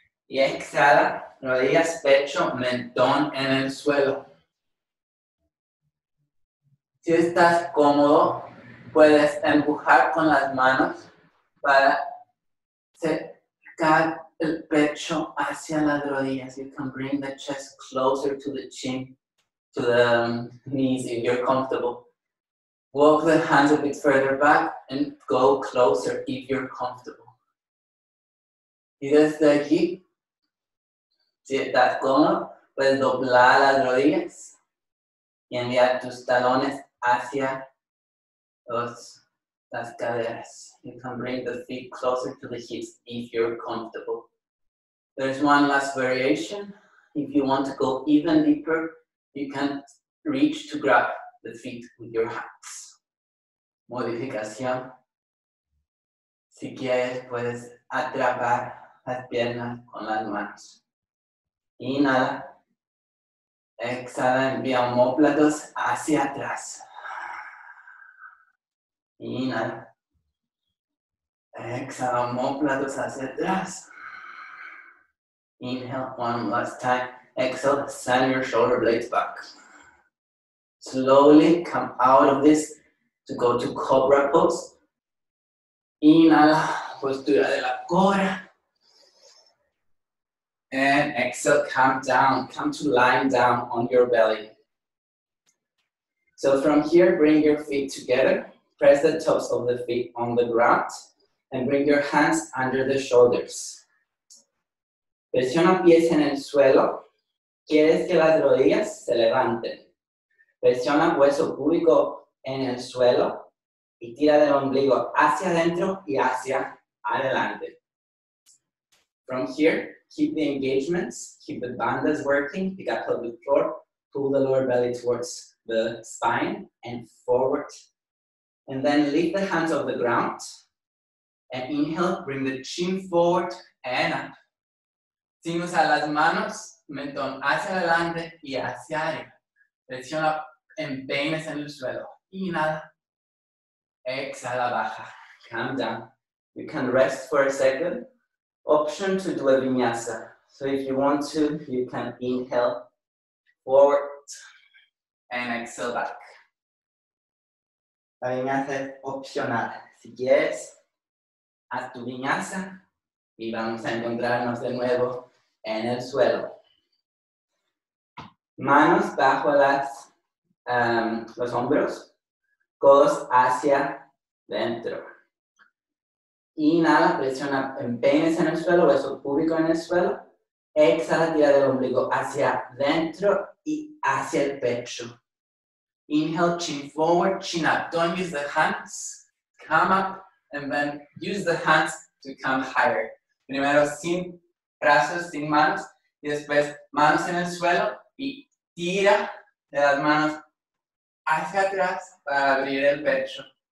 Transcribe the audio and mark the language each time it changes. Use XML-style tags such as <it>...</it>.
<es>Y exhala, rodillas, pecho, mentón en el suelo. Si estás cómodo, puedes empujar con las manos para acercar el pecho hacia las rodillas.</es> <en>You can bring the chest closer to the chin, to the knees if you're comfortable. Walk the hands a bit further back and go closer if you're comfortable.</en> <es>Y desde aquí, si estás cómodo, puedes doblar las rodillas y enviar tus talones hacia las caderas.</es> <en>You can bring the feet closer to the hips if you're comfortable. There's one last variation. If you want to go even deeper, you can reach to grab the feet with your hands.</en> <es>Modificación. Si quieres, puedes atrapar las piernas con las manos. Inhala. Exhala, envía omóplatos hacia atrás. Inhala. Exhala, omóplatos hacia atrás.</es> <en>Inhale one last time. Exhale, send your shoulder blades back. Slowly come out of this to go to cobra pose.</en> <es>Inhala, postura de la cobra.</es> <en>And exhale, come down, come to lying down on your belly. So from here, bring your feet together, press the toes of the feet on the ground, and bring your hands under the shoulders.</en> <es>Presiona pies en el suelo, quieres que las rodillas se levanten. Presiona hueso púbico en el suelo y tira del ombligo hacia adentro y hacia adelante.</es> <en>From here, keep the engagements, keep the bandhas working, pick up the floor, pull the lower belly towards the spine and forward. And then lift the hands off the ground and inhale, bring the chin forward and up.</en> <es>Sin usar las manos, mentón hacia adelante y hacia arriba. Presiona en peines en el suelo. Inhala. Exhala, baja.</es> <en>Calm down. You can rest for a second. Option to do a vinyasa. So if you want to, you can inhale forward and exhale back.</en> <es>La vinyasa es opcional. Si quieres, haz tu vinyasa y vamos a encontrarnos de nuevo en el suelo. Manos bajo los hombros, codos hacia dentro. Inhala, presiona empeines en el suelo, hueso púbico en el suelo. Exhala, tira del ombligo hacia dentro y hacia el pecho.</es> <en>Inhale, chin forward, chin up. Don't use the hands. Come up and then use the hands to come higher.</en> <es>Primero sin brazos, sin manos. Y después manos en el suelo y tira de las manos hacia atrás para abrir el pecho.</es>